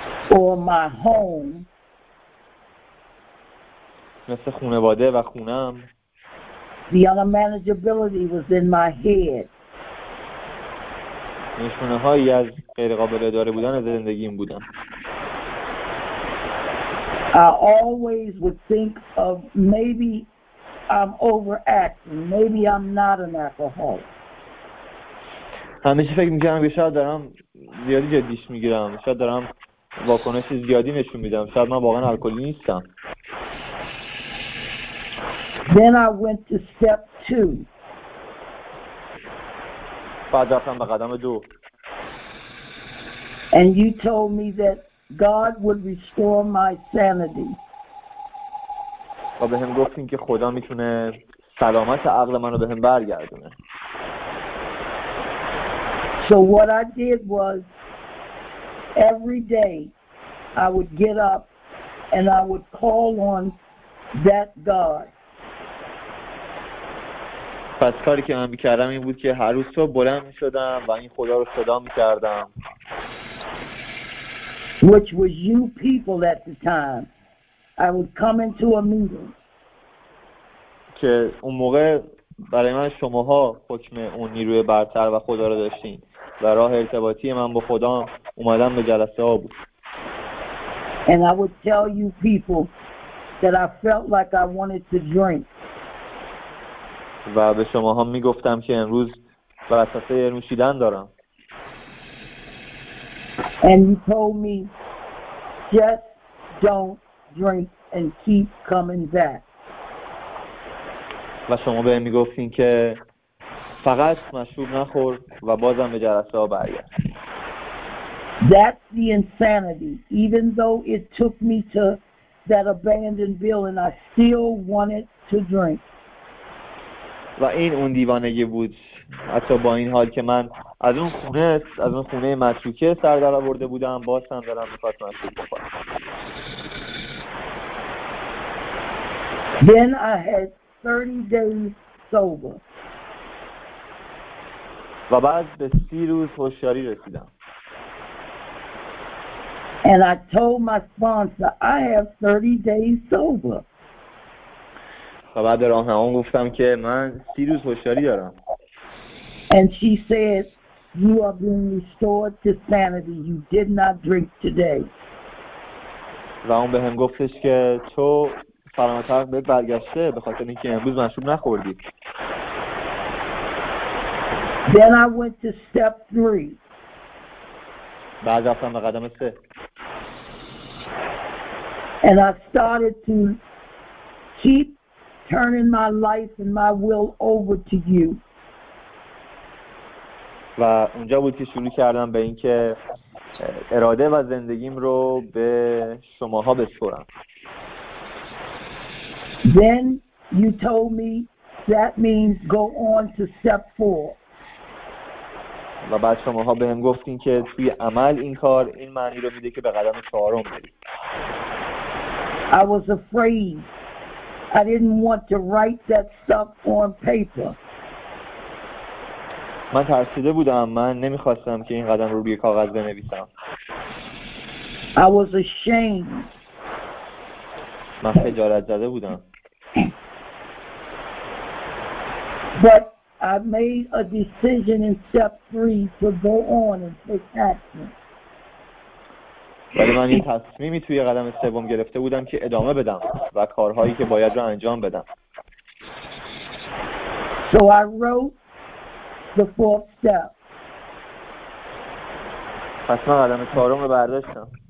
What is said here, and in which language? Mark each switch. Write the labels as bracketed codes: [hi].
[en] Or my home. [fa] مثل خانواده و خونم. [en] The unmanageability was in my head. [fa] نشونه هایی از غیر قابل اداره بودن از زندگیم بودن. [en] I always would think of maybe I'm overacting, maybe I'm not an alcoholic. [fa] همیشه فکر میکنم که شاید دارم زیادی جدیش میگیرم، شاید دارم واکنش زیادی نشون میدم، شاید من واقعا الکلی نیستم. [en] Then I went to step two. [fa] بعد رفتم به قدم دو. [en] And you told me that God would restore my sanity. [fa] و به هم گفتیم که خدا میتونه سلامت عقل من رو به هم برگردونه. [en] So what I did was every day I would get up and I would call on that God. [fa] پس کاری که من می‌کردم این بود که هر روز صبح بلند می‌شدم و این خدا رو صدا می‌کردم. [en] Which was you people at the time. I would come into a meeting. [fa] که اون موقع برای من شماها حکم اون نیروی برتر و خدا رو داشتین و راه ارتباطی من با خدا اومدم به جلسه ها بود. [en] And I would tell you people that I felt like I wanted to drink. [fa] و به شماها میگفتم که امروز بر اساس نوشیدن دارم. [en] And you told me just don't drink and keep coming back. [fa] و شما به میگفتین که فقط مشروب نخور و بازم به جلسه برگرد. [en] That's the insanity. Even though it took me to that abandoned building, I still wanted to drink. [fa] و این اون دیوانگی بود. حتی با این حال که من از اون خونه متروکه سر در آورده بودم، باز هم دارم می‌خواستم مشروب بخورم. [en] Then I had 30 days sober. [fa] و بعد به 30 روز هوشیاری رسیدم. [en] And I told my sponsor, I have 30 days sober. [fa] و بعد راهنمام گفتم که من 30 روز هوشیاری دارم. [en] And she says, you are being restored to sanity. You did not drink today. [fa] و اون به هم گفتش که تو سلامتر به برگشته به خاطر اینکه امروز مشروب نخوردی. [en] Then I went to step three. [fa] بعد رفتم به قدم سه. [en] And I started to keep turning my life and my will over to you. [fa] و اونجا بود که شروع کردم به اینکه اراده و زندگیم رو به شماها بسپرم. [en] Then you told me that means go on to step four. [fa] و بعد شماها به هم گفتین که توی عمل این کار این معنی رو میده که به قدم چهارم برید. [en] I was afraid. I didn't want to write that stuff on paper. [fa] من ترسیده بودم. من نمیخواستم که این قدم رو روی کاغذ بنویسم. [en] I was ashamed. [fa] من خجالت زده بودم. [en] But I made a decision in step three to go on and take action. [fa] ولی من یه تصمیمی توی قدم سوم گرفته بودم که ادامه بدم و کارهایی که باید رو انجام بدم. [en] So I wrote the fourth step. [fa] پس من قدم چهارم رو برداشتم.